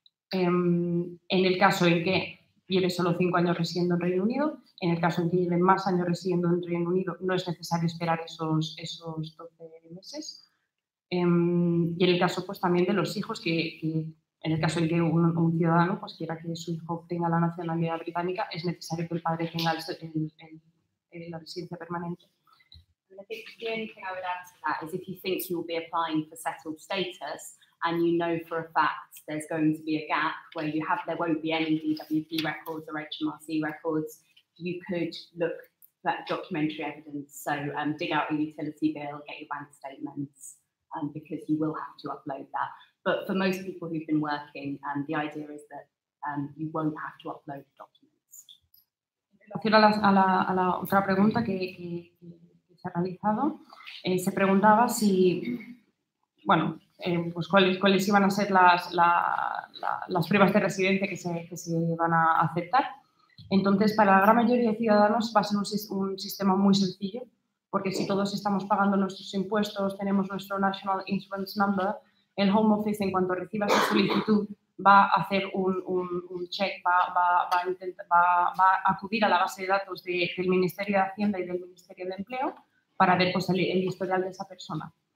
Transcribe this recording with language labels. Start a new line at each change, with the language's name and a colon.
Spanish: En el caso en que lleve solo 5 años residiendo en Reino Unido, en el caso en que lleve más años residiendo en Reino Unido, no es necesario esperar esos 12 meses. Y en el caso pues, también de los hijos, que en el caso en que un ciudadano pues, quiera que su hijo tenga la nacionalidad británica, es necesario que el padre tenga la residencia permanente.
English: And I think the only thing I would add to that is if you think you'll be applying for settled status and you know for a fact there's going to be a gap where you have there won't be any DWP records or HMRC records, you could look for that documentary evidence. So dig out a utility bill, get your bank statements, because you will have to upload that. But for most people who've been working, the idea is that you won't have to upload documents.
Spanish: En relación a la otra pregunta que se ha realizado, se preguntaba si, bueno, pues cuáles iban a ser las pruebas de residencia que se van a aceptar. Entonces, para la gran mayoría de ciudadanos va a ser un sistema muy sencillo, porque si todos estamos pagando nuestros impuestos, tenemos nuestro National Insurance Number, el Home Office, en cuanto reciba su solicitud, va a hacer un check, va a acudir a la base de datos del Ministerio de Hacienda y del Ministerio de Empleo para ver pues, el historial de esa persona.